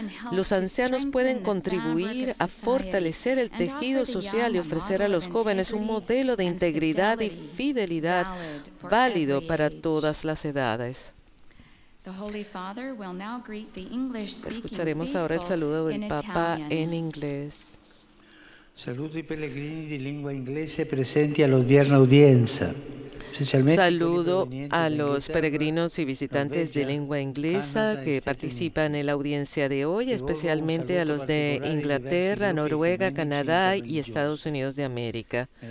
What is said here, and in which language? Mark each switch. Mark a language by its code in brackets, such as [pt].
[es] los ancianos pueden contribuir a fortalecer el tejido social y ofrecer a los jóvenes un modelo de integridad y fidelidad válido para todas las edades. [en] The Holy Father will now greet the English-speaking [es] Escucharemos ahora el saludo del Papa en inglés. [it] Saluto i pellegrini di lingua inglese presenti all'odierna udienza. [es] Saludo a los peregrinos y visitantes de lengua inglesa que participan en la audiencia de hoy, especialmente a los de Inglaterra, Noruega, Canadá y Estados Unidos de América.